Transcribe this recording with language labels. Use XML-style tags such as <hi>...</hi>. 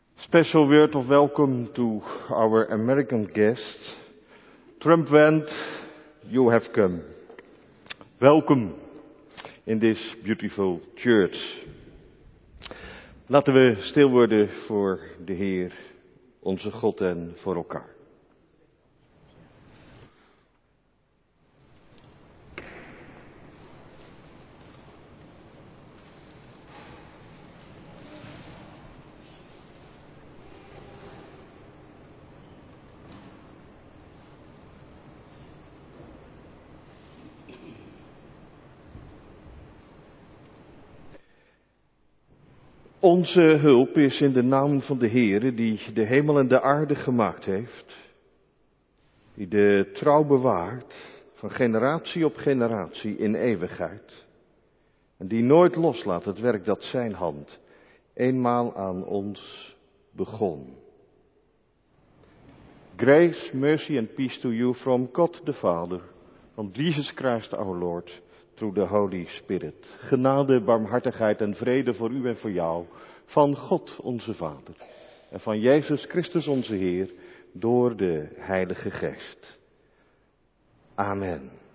<en>special word of welcome to our American guest. Trump went, you have come. Welcome in this beautiful church.</en> <nl>Laten we stil worden voor de Heer, onze God en voor elkaar. Onze hulp is in de naam van de Heere die de hemel en de aarde gemaakt heeft, die de trouw bewaart van generatie op generatie in eeuwigheid en die nooit loslaat het werk dat zijn hand eenmaal aan ons begon.</nl> <en>Grace, mercy and peace to you from God the Father, from Jesus Christ our Lord, through the Holy Spirit.</en> <nl>Genade, barmhartigheid en vrede voor u en voor jou, van God onze Vader en van Jezus Christus onze Heer, door de Heilige Geest. Amen.</nl>